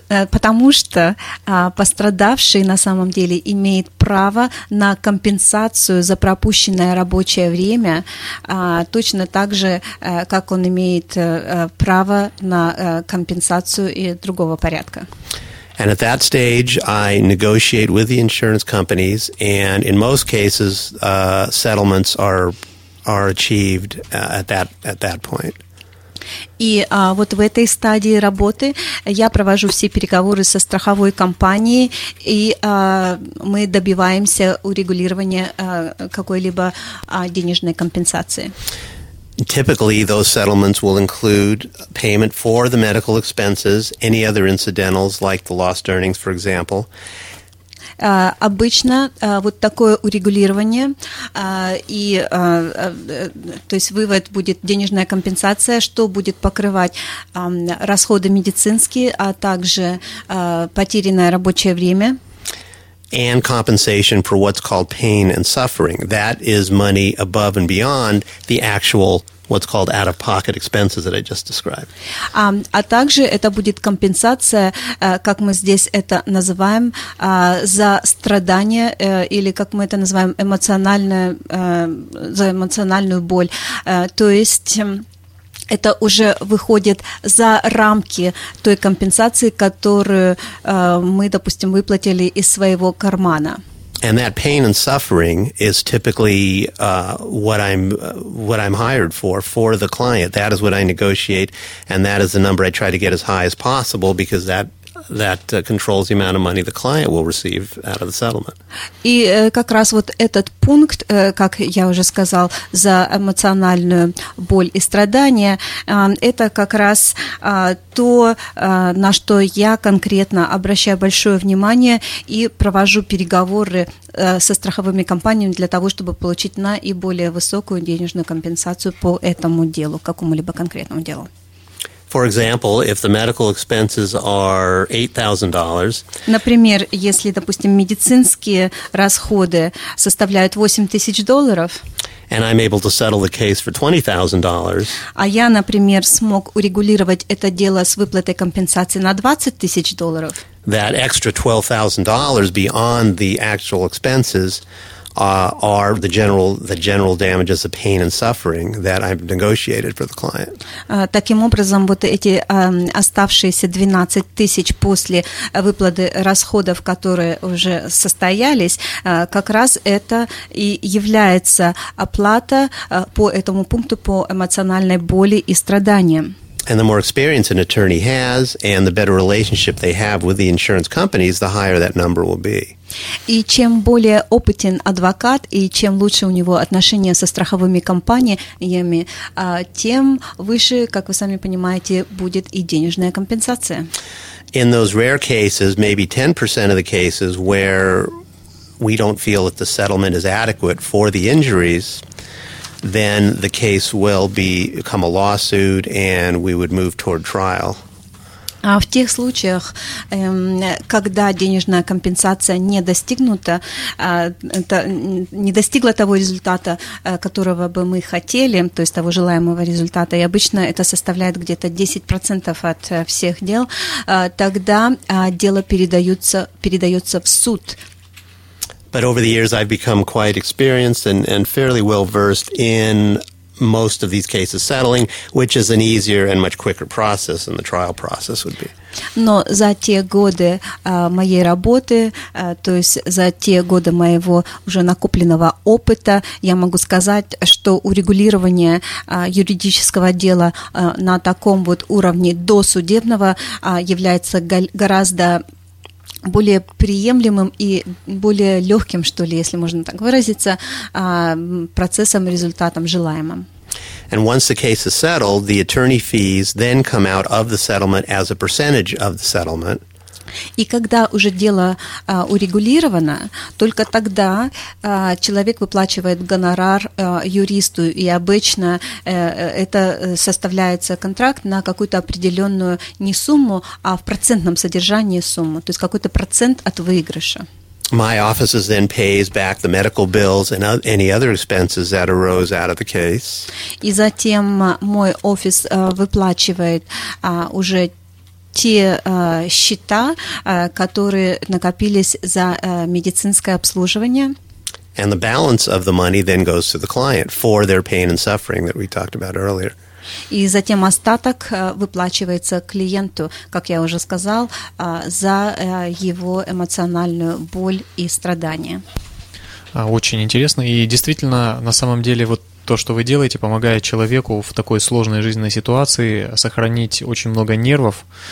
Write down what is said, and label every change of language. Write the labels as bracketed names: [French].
[Russian] Потому что пострадавший на самом деле имеет право на компенсацию за пропущенное рабочее время, точно так же, как он имеет право на компенсацию и другого порядка. [English] And at that stage, I negotiate with the insurance companies, and in most cases, settlements are achieved at that point. [Russian] И вот в этой стадии работы я провожу все переговоры со страховой компанией, и мы добиваемся урегулирования какой-либо денежной компенсации. [English] Typically, those settlements will include payment for the medical expenses, any other incidentals, like the lost earnings, for example. [Russian] Обычно вот такое урегулирование, то есть вывод будет денежная компенсация, что будет покрывать расходы медицинские, а также потерянное рабочее время. [English] And compensation for what's called pain and suffering. That is money above and beyond the actual what's called out-of-pocket expenses that I just described. [Russian] А также это будет компенсация, как мы здесь это называем, за страдания или как мы это называем за эмоциональную боль. То есть это уже выходит за рамки той компенсации, которую мы, допустим, выплатили из своего кармана. [English] And that pain and suffering is typically what I'm hired for the client. That is what I negotiate, and that is the number I try to get as high as possible, because that controls the amount of money the client will receive out of the settlement. [Russian] И как раз вот этот пункт, как я уже сказал, за эмоциональную боль и страдания, это как раз то, на что я конкретно обращаю большое внимание и провожу переговоры со страховыми компаниями для того, чтобы получить наиболее высокую денежную компенсацию по этому делу, какому-либо конкретному делу. [English] For example, if the medical expenses are $8,000. [Russian] Например, если, допустим, медицинские расходы составляют $8,000. [English] And I'm able to settle the case for $20,000. [Russian] А я, например, смог урегулировать это дело с выплатой компенсации на $20,000. [English] That extra $12,000 beyond the actual expenses are the general damages of pain and suffering that I've negotiated for the client. [Russian] Таким образом, вот эти оставшиеся 12 тысяч после выплаты расходов, которые уже состоялись, как раз это и является оплата по этому пункту по эмоциональной боли и страданиям. [English] And the more experience an attorney has, and the better relationship they have with the insurance companies, the higher that number will be. [Russian] И чем более опытен адвокат, и чем лучше у него отношения со страховыми компаниями, тем выше, как вы сами понимаете, будет и денежная компенсация. [English] In those rare cases, maybe 10% of the cases where we don't feel that the settlement is adequate for the injuries, then the case will become a lawsuit and we would move toward trial. [Russian] А в тех случаях, когда денежная компенсация не достигнута, не достигла того результата, которого бы мы хотели, то есть того желаемого результата, и обычно это составляет где-то 10% от всех дел, тогда дело передается в суд. [English] But over the years, I've become quite experienced and fairly well-versed in most of these cases settling, which is an easier and much quicker process than the trial process would be. [Russian] Но за те годы моей работы, то есть за те годы моего уже накопленного опыта, я могу сказать, что урегулирование юридического дела на таком вот уровне досудебного является гораздо более приемлемым и более легким, что ли, если можно так выразиться, процессом, результатом желаемым. [English] And once the case is settled, the attorney fees then come out of the settlement as a percentage of the settlement. [Russian] И когда уже дело урегулировано, только тогда человек выплачивает гонорар юристу, и обычно это составляется контракт на какую-то определенную не сумму, а в процентном содержании сумму, то есть какой-то процент от выигрыша. [English] My office then pays back the medical bills and any other expenses that arose out of the case. [Russian] И затем мой офис выплачивает уже те счета, которые накопились за медицинское обслуживание. [English] And the balance of the money then goes to the client for their pain and suffering that we talked about earlier. [Russian] И затем остаток выплачивается клиенту, как я уже сказал, за его эмоциональную боль и страдания. Очень интересно. И действительно, на самом деле, вот то, что вы делаете, помогает человеку в такой сложной жизненной ситуации сохранить очень много нервов